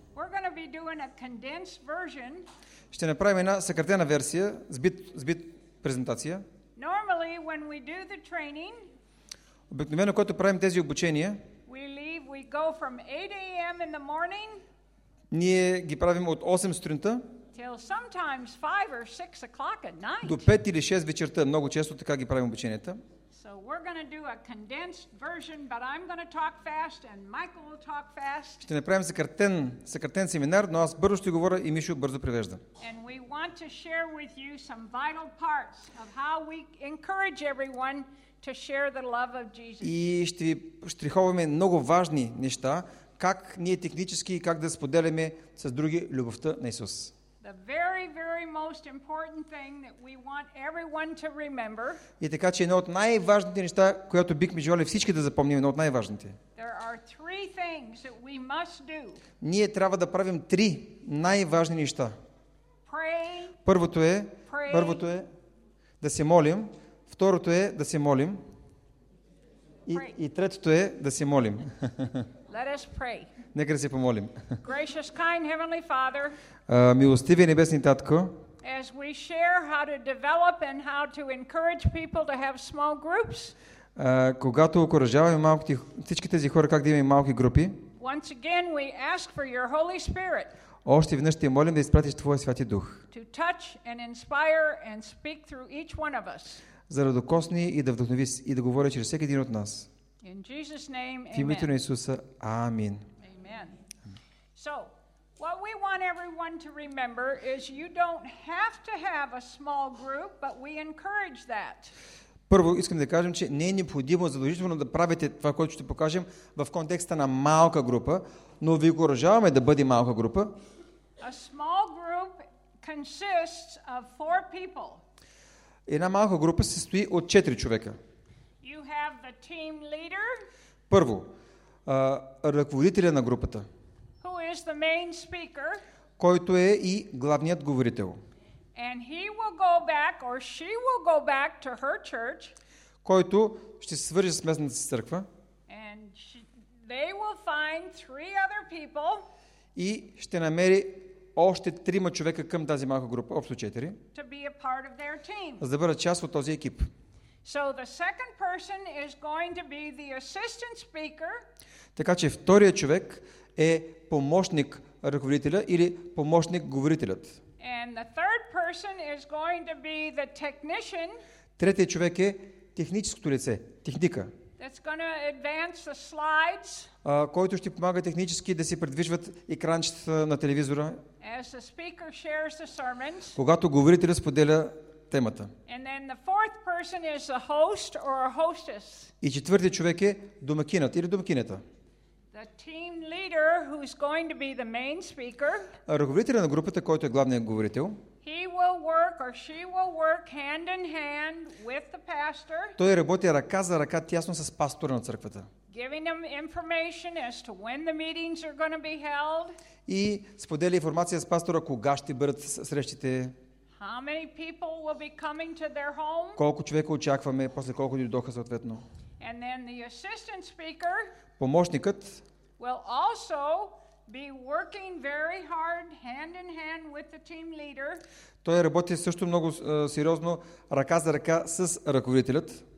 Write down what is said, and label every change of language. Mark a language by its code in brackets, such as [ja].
[en] We're going to be doing a condensed version. [bg] Ще направим една съкратена версия, сбит презентация. [en] Normally, when we do the training, [bg] обикновено, когато правим тези обучения, [en] we go from 8 a.m. in the morning, [bg] ние ги правим от 8 сутринта [en] till sometimes 5 or 6 o'clock at night. [bg] До 5 или 6 вечерта. Много често така ги правим обученията. [en] So we're going to do a condensed version, but I'm going to talk fast and Michael will talk fast. [bg] Ще направим съкратен семинар, но аз бързо ще говоря и Мишо бързо превежда. [en] And we want to share with you some vital parts of how we encourage everyone to share the love of Jesus. [bg] И ще ви штриховаме много важни неща, как ние технически и как да споделяме с други любовта на Исус. [en] The very, very most important thing that we want everyone to remember. [bg] И така, че едно от най-важните неща, която бихме желали всички да запомним, едно от най-важните. [en] There are three things that we must do. [bg] Ние трябва да правим три най-важни неща. [en] Pray. [bg] Първото е да се молим. Второто е да се молим. И третото е да се молим. [en] Let us pray. [bg] Нека да се помолим. [en] Gracious, kind, Heavenly Father, [bg] милостивия Небесни Татко, [en] as we share how to develop and how to encourage people to have small groups, [bg] когато окуражаваме всички тези хора как да имаме малки групи, [en] once again we ask for your Holy Spirit, [bg] още веднъж ти молим да изпратиш Твоя Святи Дух, [en] to touch and inspire and speak through each one of us, [bg] за да докосни и да вдъхнови и да говори чрез всеки един от нас. [en] In Jesus name, [bg] в името на Исуса, амин. [en] So, what we want everyone to remember is you don't have to have a small group, but we encourage that. [bg] Първо искам да кажем, че не е необходимо задължително да правите това, което ще покажем в контекста на малка група, но ви окуражаваме да бъде малка група. [en] A small group consists of 4 people. [bg] Една малка група се състои от 4 човека. [en] You have the team leader. [bg] Първо, ръководителя на групата. [en] Who is the main speaker? [bg] Който е и главният говорител. [en] And he will go back or she will go back to her church. [bg] Който ще се свържи с местната си църква. [en] And they will find 3 other people. [bg] И ще намери още 3 човека към тази малка група, общо 4. [en] To be a part of their team. [bg] За да бъдат част от този екип. [en] So the second person is going to be the assistant speaker. [bg] Така че вторият човек е помощник ръководителя или помощник говорителят. [en] And the third person is going to be the technician. [bg] Третият човек е техническото лице, техника. [en] That's going to advance the slides. [bg] Който ще помага технически да се придвижват екранчетата на телевизора. [en] As the speaker shares the sermons. [bg] Когато говорителят споделя темата. [en] And then the fourth person is a host or a hostess. [bg] И четвъртият човек е домакинът или домакинята. [en] The team leader who's going to be the main speaker. [bg] Ръководителят на групата, който е главният говорител. [en] He will work or she will work hand in hand with the pastor. [bg] Той работи ръка за ръка тясно с пастора на църквата. [en] Giving him information as to when the meetings are going to be held. [bg] И споделя информация с пастора кога ще бъдат срещите. [en] How many people will be coming to their home? [bg] Колко човека очакваме, после колко дойдоха съответно. [en] And then the assistant speaker. [bg] Помощникът [en] will also be working very hard hand in hand with the team leader. [bg] Той работи също много сериозно ръка за ръка с ръководителят.